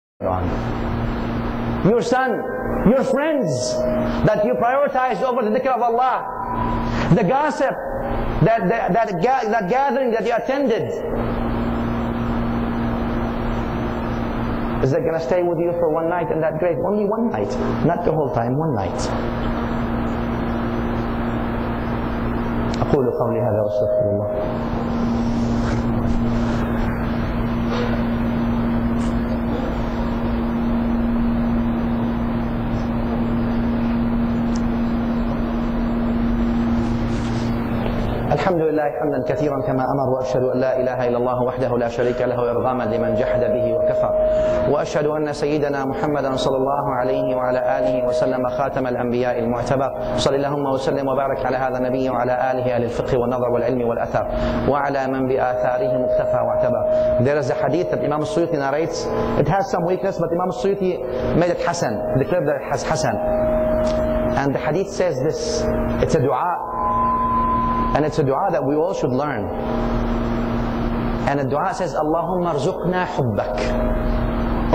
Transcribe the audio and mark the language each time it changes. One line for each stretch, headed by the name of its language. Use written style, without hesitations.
English: Your son, your friends that you prioritize over the dhikr of Allah, the gossip, that gathering that you attended, is it going to stay with you for one night in that grave? Only one night, not the whole time, one night.
Arabic: أقول قولي هذا وأستغفر الله. الحمد لله حمدا كثيرا كما أمر، وأشهد أن لا إله إلا الله وحده لا شريك له إرغاما لمن جحد به وكفر، وأشهد أن سيدنا محمدا صلى الله عليه وعلى آله وسلم خاتم الأنبياء المعتبر. صلى اللهم وسلم وبارك على هذا النبي وعلى آله أهل الفقه والنظر والعلم والأثر، وعلى من بآثاره مكتفى واعتبر.
English: There is a hadith that Imam Suyuti narrates. It has some weakness, but Imam Suyuti made it حسن. The clip that has حسن. And the hadith says this. It's a dua. And it's a dua that we all should learn. And the dua says,
Arabic: Allahumma rzuqna hubbak.